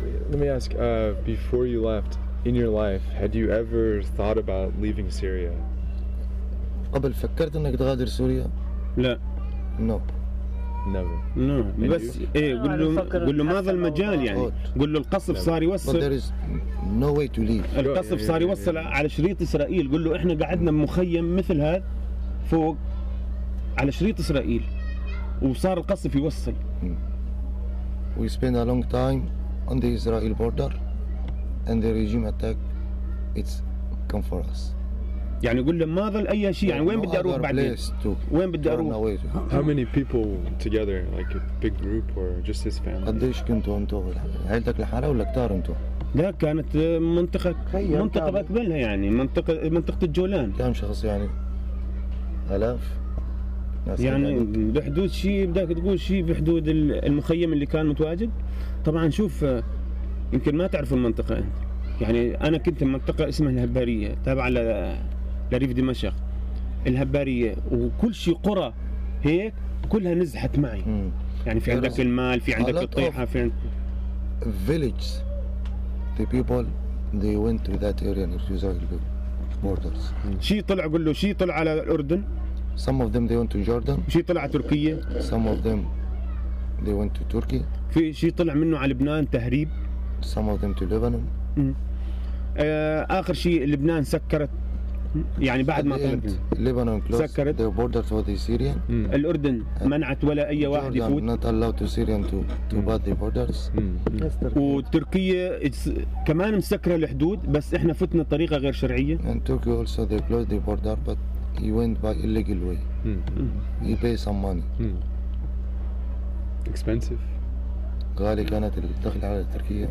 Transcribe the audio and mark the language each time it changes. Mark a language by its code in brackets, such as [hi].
[en] Let me ask, before you left in your life, had you ever thought about leaving Syria? [ar] قبل فكرت إنك تغادر سوريا؟ لا. [en] No. Never. No. [ar] بس ايه قل له ما ظل مجال يعني قل له القصف صار يوصل. [en] But there is no way to leave. [ar] القصف صار يوصل على شريط اسرائيل قل له احنا قعدنا بمخيم مثل هذا فوق على شريط اسرائيل وصار القصف يوصل. [en] We spend a long time on the Israel border and the regime attack it's come for us. [ar] يعني قل له ما ظل اي شيء يعني وين بدي اروح بعدين وين بدي اروح. [en] How many people together like a big group or just his family؟ [ar] قديش كنتوا انتوا عيلتك لحالها ولا كتار انتوا؟ لا كانت منطقه بأكملها يعني منطقه الجولان كم شخص يعني الاف يعني بحدود شيء بدك تقول شيء بحدود المخيم اللي كان متواجد. طبعا شوف يمكن ما تعرف المنطقه انت يعني انا كنت منطقه اسمها الهباريه تابعة على لريف دمشق الهبارية وكل شيء قرى هيك كلها نزحت معي. يعني في عندك المال في عندك الطيحة في عندك [en] village the people they went to that area near to the borders. [ar] شيء طلع قل له شيء طلع على الأردن. [en] Some of them they went to Jordan. [ar] شيء طلع على تركيا. [en] Some of them they went to Turkey. [ar] في شيء طلع منه على لبنان تهريب. [en] Some of them to Lebanon. [ar] آخر شيء لبنان سكرت يعني بعد ما طلبنا لبنان سكرت [en] the border for the Syrian [ar] الأردن منعت ولا أي واحد يفوت [en] not allowed to Syrian to pass the borders [ar] وتركيا كمان مسكرة الحدود بس إحنا فتنا طريقة غير شرعية [en] and Turkey also they closed the border but he went by illegal way he pay some money expensive [ar] غالي كانت الدخل على تركيا